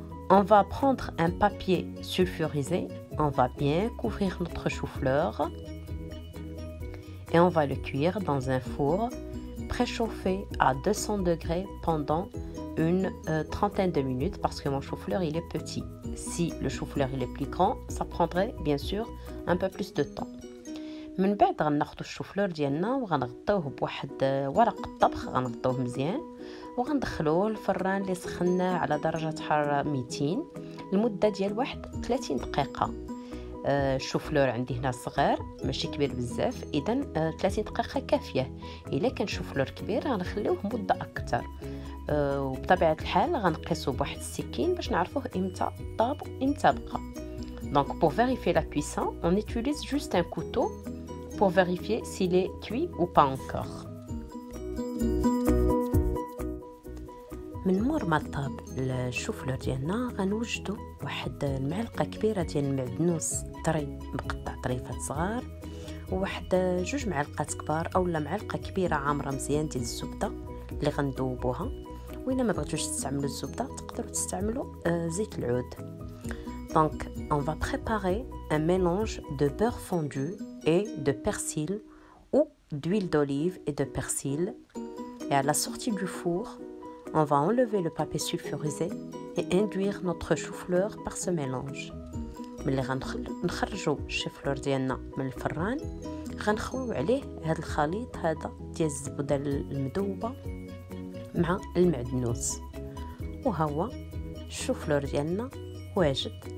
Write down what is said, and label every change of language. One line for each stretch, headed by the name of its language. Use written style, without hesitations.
French: On va prendre un papier sulfurisé, on va bien couvrir notre chou-fleur et on va le cuire dans un four préchauffé à 200 degrés pendant une trentaine de minutes parce que mon chou-fleur il est petit. Si le chou-fleur il est plus grand, ça prendrait bien sûr un peu plus de temps.
Arabic: من بعد غناخذو الشوفلور ديالنا وغنغطيوه بواحد ورق الطبخ, غنغطيوه مزيان وغندخلوه الفران اللي سخناه على درجة حرارة 200 لمدة ديال واحد 30 دقيقة. الشوفلور عندي هنا صغير ماشي كبير بزاف, اذا 30 دقيقة كافية. الا كان شوفلور كبير غنخليوه مدة اكثر. وبطبيعة الحال غنقيسو بواحد السكين باش نعرفوه امتى طاب امتى بقى.
French: Donc pour vérifier la cuisson, on utilise juste un couteau pour vérifier s'il est cuit ou pas encore.
Arabic: من مور ما طاب الشوفلور ديالنا غنوجدو واحد المعلقة كبيرة ديال المعدنوس طري مقطع طريفات صغار, وواحد جوج معلقات كبار اولا معلقة كبيرة عامرة مزيان ديال الزبدة اللي غندوبوها. وإلا ما بغيتوش تستعملوا الزبدة تقدروا تستعملوا زيت العود.
French: Donc on va préparer un mélange de beurre fondu et de persil ou d'huile d'olive et de persil. Et à la sortie du four, on va enlever le papier sulfurisé et induire notre chou-fleur par ce mélange.
Arabic: ملي غنخرجوا الشوفلور ديالنا من الفران غنخويو عليه هذا الخليط هذا ديال الزبده المذوبه مع المعدنوس. وهو الشوفلور ديالنا واجد.